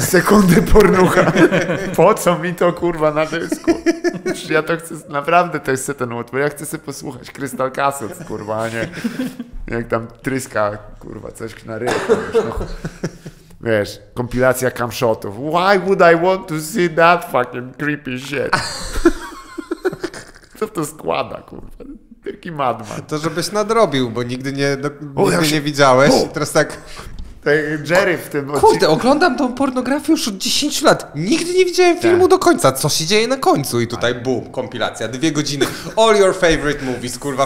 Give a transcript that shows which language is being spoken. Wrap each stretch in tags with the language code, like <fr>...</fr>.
<pl>Sekundy pornucha. Po co mi to kurwa na dysku? Ja to chcę, naprawdę to jest ten łot, bo ja chcę sobie posłuchać Crystal Castles, kurwa, a nie jak tam tryska, kurwa, coś na ryby. Wiesz, kompilacja camshotów.</pl> <en>Why would I want to see that fucking creepy shit?</en> <pl>Co to składa, kurwa? Jaki madman. To żebyś nadrobił, bo nigdy nie, no, nigdy nie widziałeś. Teraz tak... Jerry w tym odcinku. Kurde, oglądam tą pornografię już od 10 lat. Nigdy nie widziałem filmu do końca. Co się dzieje na końcu? I tutaj boom, kompilacja. 2 godziny.</pl> <en>All your favorite movies,</en> <pl>kurwa.</pl>